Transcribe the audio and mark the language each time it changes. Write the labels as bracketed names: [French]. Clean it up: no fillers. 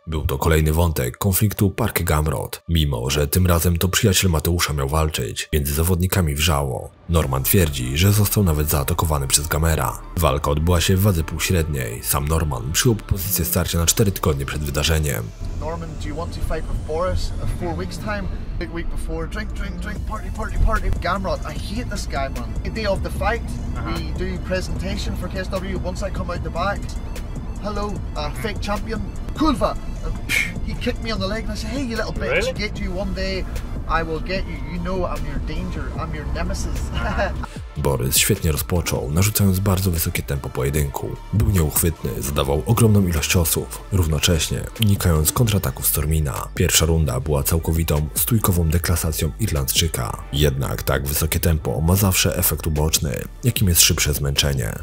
[Polish] Był to kolejny wątek konfliktu Parky Gamrot. Mimo, że tym razem to przyjaciel Mateusza miał walczyć, między zawodnikami wrzało. Norman twierdzi, że został nawet zaatakowany przez Gamera. Walka odbyła się w wadze półśredniej. Sam Norman przyjął pozycję starcia na 4 tygodnie przed wydarzeniem. [English] Norman, do you want to fight with Boris a 4 weeks time? Big week before, drink, party. Gamrot, I hate this guy, man. The day of the fight, we do presentation for KSW. Once I come out the back, hello, fake champion, Kulva. He kicked me on the leg and I said, hey, you little bitch, really? Get you one day. I will get you, you know I'm your danger, I'm your nemesis. [Polish] Borys świetnie rozpoczął, narzucając bardzo wysokie tempo pojedynku. Był nieuchwytny, zadawał ogromną ilość ciosów, równocześnie unikając kontrataków Stormina. Pierwsza runda była całkowitą, stójkową deklasacją Irlandczyka. Jednak tak wysokie tempo ma zawsze efekt uboczny, jakim jest szybsze zmęczenie.